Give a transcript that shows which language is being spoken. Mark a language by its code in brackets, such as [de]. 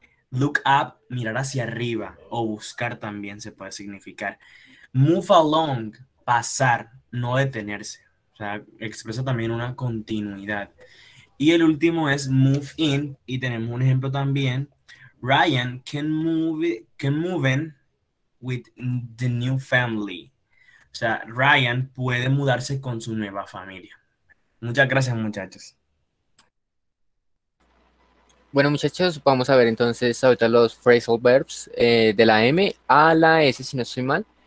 [es] Look up, mirar hacia arriba, o buscar también se puede significar. Move along, pasar, no detenerse. O sea, expresa también una continuidad. Y el último es move in, y tenemos un ejemplo también. [en] Ryan can move in with the new family. [es] O sea, Ryan puede mudarse con su nueva familia. Muchas gracias, muchachos. Bueno, muchachos, vamos a ver entonces ahorita los phrasal verbs de la M a la S, si no estoy mal.